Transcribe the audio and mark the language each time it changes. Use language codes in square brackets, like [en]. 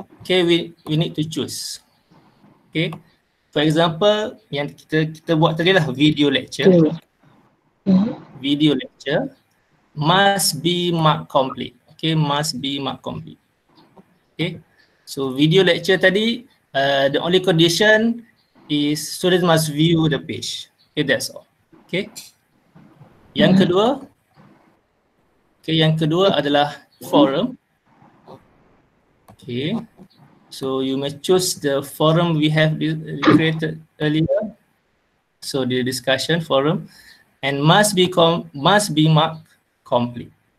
[en] Okay, we need to choose. Okay, for example, [ms] yang kita buat tadi lah, [en] video lecture. Video lecture must be mark complete. Okay, must be mark complete. Okay, so video lecture [ms] tadi, [en] the only condition is students must view the page. Okay, that's all. Okay. [ms] Yang kedua, okay, yang kedua adalah forum. [en] Okay. So you may choose the forum we have created earlier. So the discussion forum, and must be marked complete.